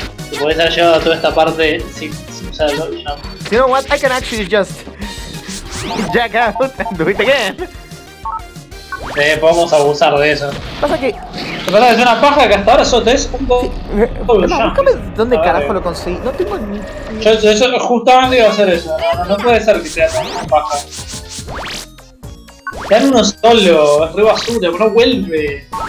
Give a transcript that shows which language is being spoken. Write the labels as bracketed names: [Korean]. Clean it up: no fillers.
[Spanish] Si podés haber llegado a toda esta parte sin usar el double jump. [English] You know what? I can actually just jack out and do it again. [Spanish] Podemos abusar de eso. Pasa que... Lo que pasa es una paja que hasta ahora solo tenés un double jump. Búscame dónde carajo lo conseguí. No tengo ni... Yo justamente iba a hacer eso. No puede ser que sea una paja. Te dan uno solo, es re basura, pero no vuelve.